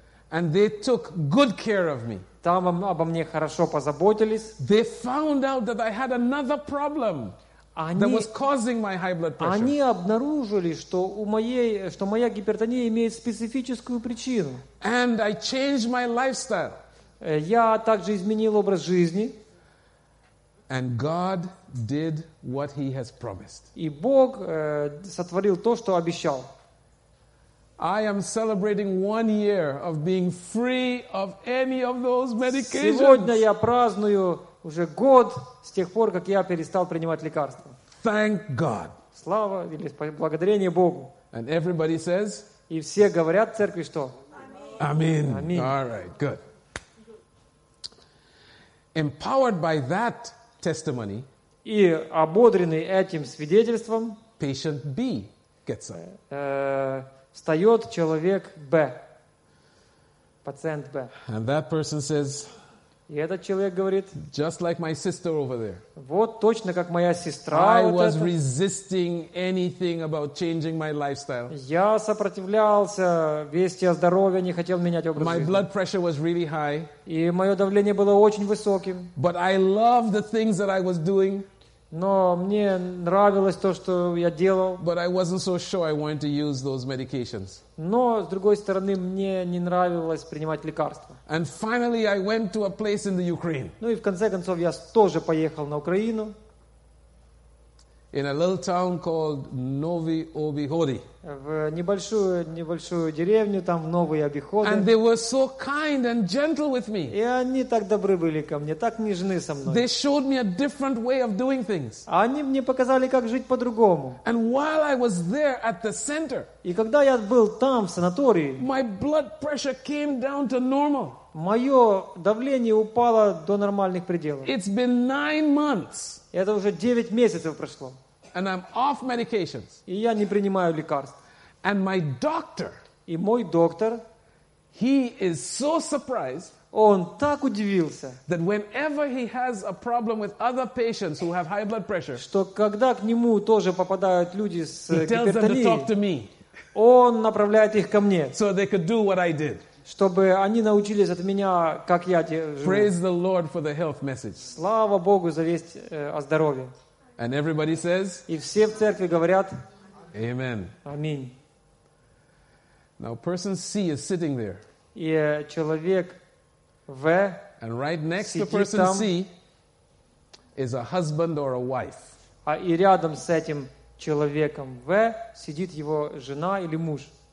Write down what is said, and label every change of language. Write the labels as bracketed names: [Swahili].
[English] And they took good care of me. [Russian] Там обо мне хорошо позаботились. [English] They found out that I had another problem. That was causing my high blood pressure. [Russian] Они обнаружили, что у моей, что моя гипертония имеет специфическую причину. [English] And I changed my lifestyle. [Russian] Я также изменил образ жизни. [English] And God did what He has promised. [Russian] И Бог сотворил то, что обещал. [English] I am celebrating one year of being free of any of those medications. [Russian] Сегодня я праздную уже год с тех пор, как я перестал принимать лекарства. [English] Thank God. [Russian] Слава или благодарение Богу. [English] And everybody says. [Russian] И все говорят в церкви что? [English] Amen. Amen. All right, good. Empowered by that testimony. [Russian] И ободренный этим свидетельством. [English] Patient B gets up. [Russian] Встает человек Б. Пациент Б. [English] And that person says. [Russian] И этот человек говорит, [English] just like my sister over there. [Russian] Вот точно как моя сестра. [English] I [Russian] вот [English] was [Russian] этот. [English] Resisting anything about changing my lifestyle. [Russian] Я сопротивлялся вести о здоровье, не хотел менять образ [English] my [Russian] жизни. [English] My blood pressure was really high. [Russian] И мое давление было очень высоким. [English] But I loved the things that I was doing. [Russian] Но мне нравилось то, что я делал. [English] But I wasn't so sure I wanted to use those medications. [Russian] Но, с другой стороны, мне не нравилось принимать лекарства. [English] And finally I went to a place in the Ukraine. [Russian] Ну и в конце концов я тоже поехал на Украину. [English] In a little town called Novi Obihori. [Russian] В небольшую деревню, там в Новой Обиходе. [English] And they were so kind and gentle with me. [Russian] И они так добры были ко мне, так нежны со мной. [English] They showed me a different way of doing things. [Russian] Они мне показали, как жить по-другому. [English] And while I was there at the center. [Russian] И когда я был там, в санатории. [English] My blood pressure came down to normal. [Russian] Мое давление упало до нормальных пределов. [English] It's been 9 months. [Russian] Это уже 9 месяцев прошло. [English] And I'm off medications. [Russian] И я не принимаю лекарств. [English] And my doctor, [Russian] и мой доктор, [English] he is so surprised, [Russian] он так удивился, [English] that whenever he has a problem with other patients who have high blood pressure, [Russian] что когда к нему тоже попадают люди с гипертонией, [English] he tells them to talk to me. [Russian] Он направляет их ко мне. [English] So they could do what I did. [Russian] Чтобы они научились от меня, как я живу. [English] Praise the Lord for the health message. [Russian] Слава Богу за весть о здоровье. [English] And everybody says, [Russian] и все в церкви говорят, [English] Amen. [Russian] Аминь. [English] Now person C is sitting there. [Russian] И человек В. [English] And right next to person [Russian] там, [English] C is a husband or a wife. [Russian] А и рядом с этим человеком В сидит его жена или муж.